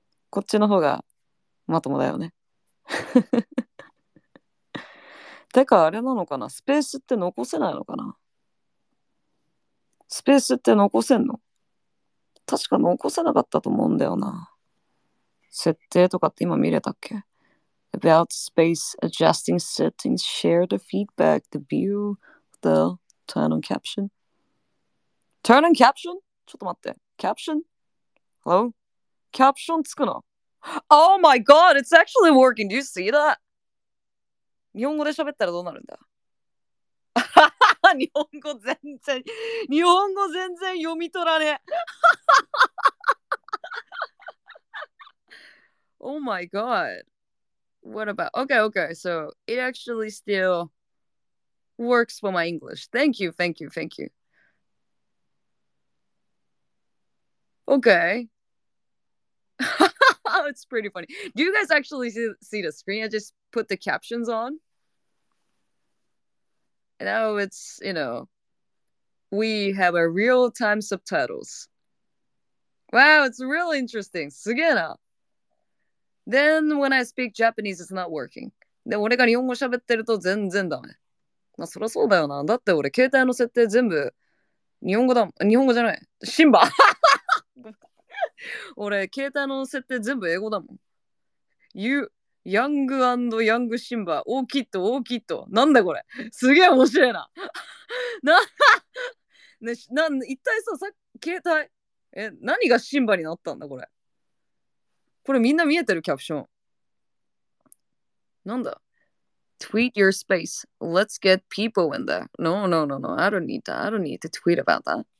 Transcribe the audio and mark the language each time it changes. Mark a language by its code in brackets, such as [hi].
[ja] こっちの方がまともだよね。てか、あれなのかな？スペースって残せないのかな？スペースって残せんの？確か残せなかったと思うんだよな。設定とかって今見れたっけ？ [en] About space adjusting settings, share the feedback, the view, the turn on caption. Turn on caption? [ja] ちょっと待って。 [en] Caption? Hello? [ja] Caption つくの? [en] Oh my god, it's actually working. Do you see that? [ja] 日本語で喋ったらどうなるんだ?日本語全然読み取らねえ。 [en] Oh my god. What about? Okay. So it actually still works for my English. Thank you. Okay. It's pretty funny. Do you guys actually see the screen? I just put the captions on. And now it's, you know, we have a real-time subtitles. Wow, it's really interesting. [ja] すげえな。 [en] Then when I speak Japanese, it's not working. [ja] で、俺が日本語喋ってると全然ダメ。まあ、そりゃそうだよな。だって俺、携帯の設定全部、日本語だもん。日本語じゃない。シンバ。俺、携帯の設定全部英語だもん。 Young and Young シンバ。大きいと。なんだこれ。すげえ面白いな。一体さ、携帯。何がシンバになったんだこれ。これみんな見えてるキャプション。なんだ [en] ?Tweet your space. Let's get people in there. No. I don't need to tweet about that.